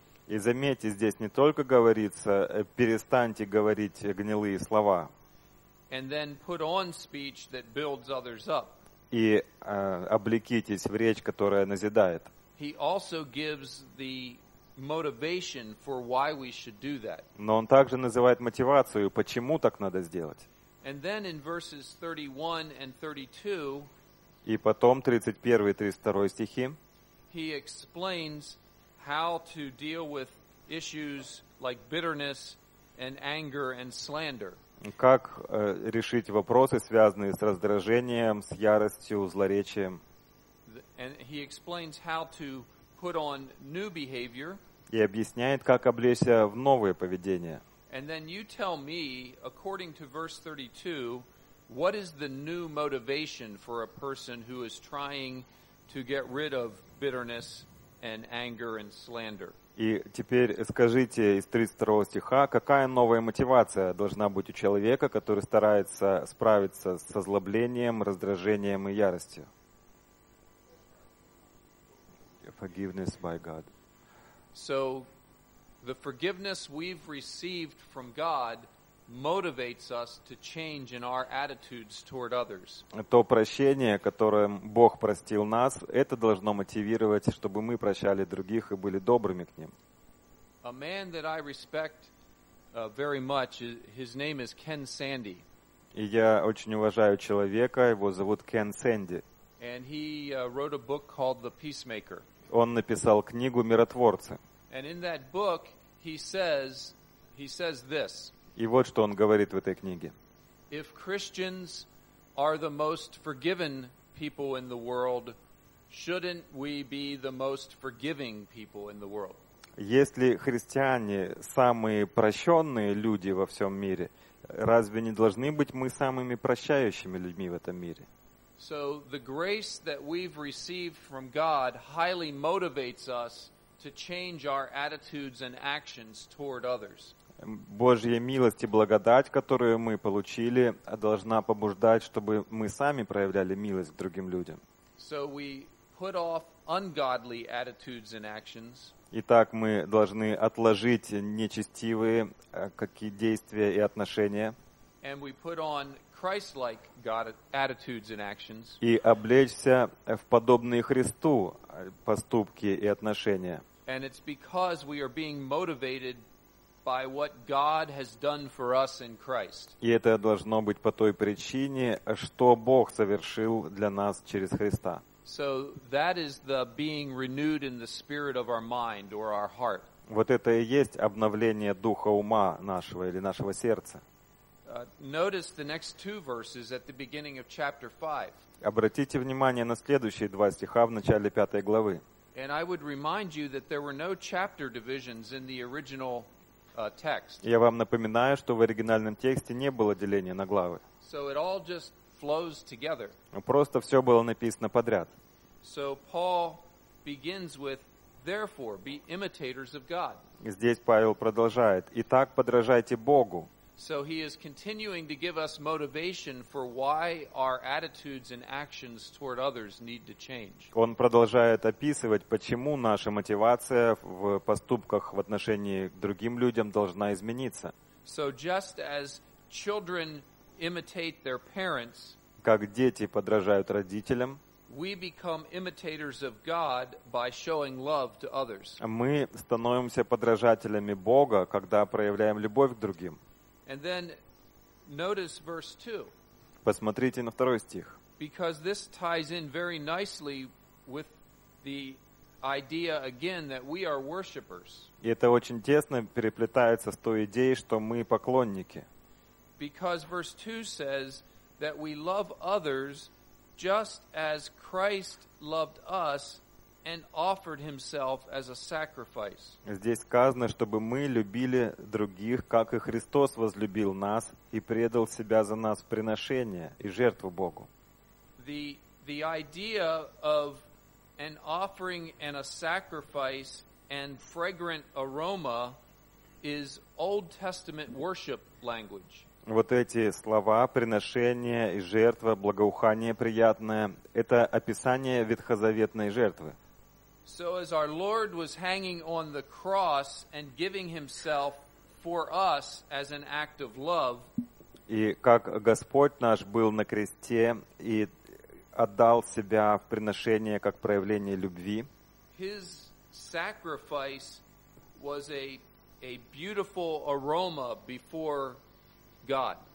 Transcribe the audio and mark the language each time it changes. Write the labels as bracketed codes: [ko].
[ru] И заметьте, здесь не только говорится «перестаньте говорить гнилые слова», [en] and then put on speech that builds others up. [ru] И облекитесь в речь, которая назидает. [en] He also gives the motivation for why we should do that. [ru] Но он также называет мотивацию, почему так надо сделать. [en] And then in verses 31 and 32, [ru] и потом 31 и 32 стихи, [en] he explains how to deal with issues like bitterness and anger and slander. [ru] Как решить вопросы, связанные с раздражением, с яростью, злоречием. [en] And he explains how to put on new behavior. [ru] И объясняет, как облечься в новое поведение. [en] And then you tell me, according to verse 32, what is the new motivation for a person who is trying to get rid of bitterness and anger and slander. [ru] И теперь скажите из 32 стиха, какая новая мотивация должна быть у человека, который старается справиться с озлоблением, раздражением и яростью? [en] Forgiveness by God. So the forgiveness we've received from God motivates us to change in our attitudes toward others. [ru] То прощение, которым Бог простил нас, это должно мотивировать, чтобы мы прощали других и были добрыми к ним. [en] A man that I respect very much, his name is Ken Sandy. [ru] И я очень уважаю человека, его зовут Кен Сэнди. [en] And he wrote a book called The Peacemaker. [ru] Он написал книгу «Миротворцы». [en] And in that book he says this. [ru] И вот что он говорит в этой книге. [en] If Christians are the most forgiven people in the world, shouldn't we be the most forgiving people in the world? [ru] Если христиане самые прощенные люди во всем мире, разве не должны быть мы самыми прощающими людьми в этом мире? [en] So the grace that we've received from God highly motivates us to change our attitudes and actions toward others. [ru] Божья милость и благодать, которую мы получили, должна побуждать, чтобы мы сами проявляли милость к другим людям. [en] So we put off ungodly attitudes and actions. [ru] Итак, мы должны отложить нечестивые какие действия и отношения. [en] And we put on Christ-like God attitudes and actions. [ru] И облечься в подобные Христу поступки и отношения. [en] And it's because we are being motivated by what God has done for us in Christ. [ru] И это должно быть по той причине, что Бог совершил для нас через Христа. [en] So that is the being renewed in the spirit of our mind or our heart. [ru] Вот это и есть обновление духа ума нашего или нашего сердца. [en] notice the next two verses at the beginning of chapter 5. [ru] Обратите внимание на следующие два стиха в начале пятой главы. [en] And I would remind you that there were no chapter divisions in the original text. [ru] Я вам напоминаю, что в оригинальном тексте не было деления на главы. [en] So it all just flows together. [ru] Просто все было написано подряд. [en] So Paul begins with, therefore, be imitators of God. [ru] Здесь Павел продолжает, итак, подражайте Богу. [en] So he is continuing to give us motivation for why our attitudes and actions toward others need to change. [ru] Он продолжает описывать, почему наша мотивация в поступках в отношении к другим людям должна измениться. [en] So just as children imitate their parents, [ru] как дети подражают родителям, [en] we become imitators of God by showing love to others. [ru] Мы становимся подражателями Бога, когда проявляем любовь к другим. [en] And then notice verse 2. [ru] Посмотрите на второй стих. [en] Because this ties in very nicely with the idea again that we are worshipers. [ru] И это очень тесно переплетается с той идеей, что мы поклонники. [en] Because verse 2 says that we love others just as Christ loved us and offered himself as a sacrifice. [ru] Здесь сказано, чтобы мы любили других, как и Христос возлюбил нас и предал себя за нас в приношение и жертву Богу. [en] The idea of an offering and a sacrifice and fragrant aroma is Old Testament worship language. [ru] Вот эти слова, приношение и жертва, благоухание приятное, это описание ветхозаветной жертвы. [en] So as our Lord was hanging on the cross and giving himself for us as an act of love. [ru] И как Господь наш был на кресте и отдал себя в приношение как проявление любви. [en] His sacrifice was a beautiful aroma before God.